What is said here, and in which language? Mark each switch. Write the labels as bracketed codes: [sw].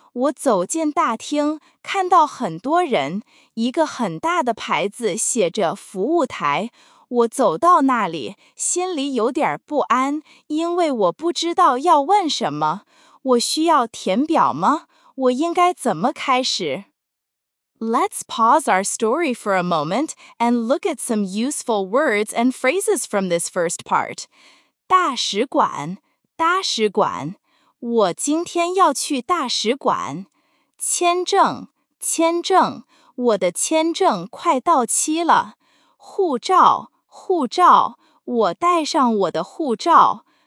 [zh] 我走进大厅，看到很多人，一个很大的牌子写着“服务台”。我走到那里，心里有点不安，因为我不知道要问什么。我需要填表吗？我应该怎么开始？ [en] Let's pause our story for a moment and look at some useful words and phrases from this first part. [zh] 大使馆，大使馆，我今天要去大使馆。签证，签证，我的签证快到期了。护照。护照，我带上我的护照。